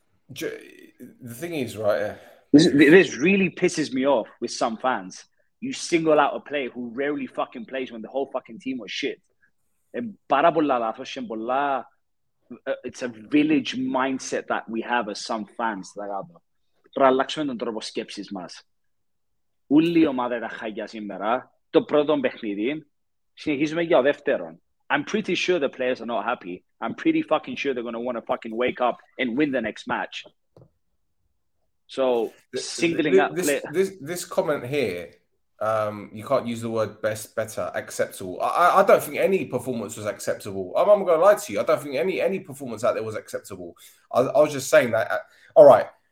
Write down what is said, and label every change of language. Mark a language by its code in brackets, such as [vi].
[en] The thing is, right... This really pisses me off with some fans. You single out a player who rarely fucking plays when the whole fucking team was shit. It's a village mindset that we have as some fans. [el] Τώρα αλλάξουμε τον τρόπο σκέψης μας. Όλη η ομάδα τα χάγια σήμερα, το πρώτο παιχνίδι, συνεχίζουμε για δεύτερον. [en] I'm pretty sure the players are not happy. I'm pretty fucking sure they're going to want to fucking wake up and win the next match. So, singling out... This comment here, you can't use the word best, better, acceptable. I don't think any performance was acceptable. I'm going to lie to you. I don't think any performance out there was acceptable. I was just saying that. All right.